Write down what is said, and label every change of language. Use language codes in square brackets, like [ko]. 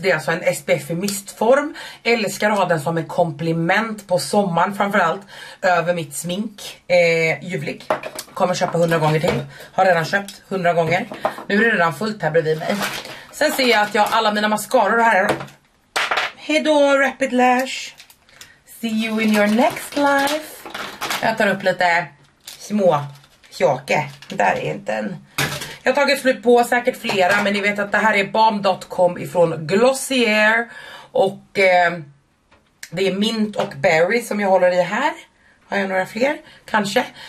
[sv] Det är alltså en SPF mistform. Älskar att ha den som ett komplement på sommaren framförallt. Över mitt smink. Ljuvlig. Kommer köpa 100 gånger till. Har redan köpt 100 gånger. Nu är det redan fullt här bredvid mig. Sen ser jag att jag har alla mina mascaror här. Hejdå Rapid Lash. [en] See you in your next life. [sv] Jag tar upp lite små tjake. Där är inte en. Jag har tagit slut på säkert flera, men ni vet att det här är Balm.com ifrån Glossier. Och det är mint och berry som jag håller i här. Har jag några fler? Kanske.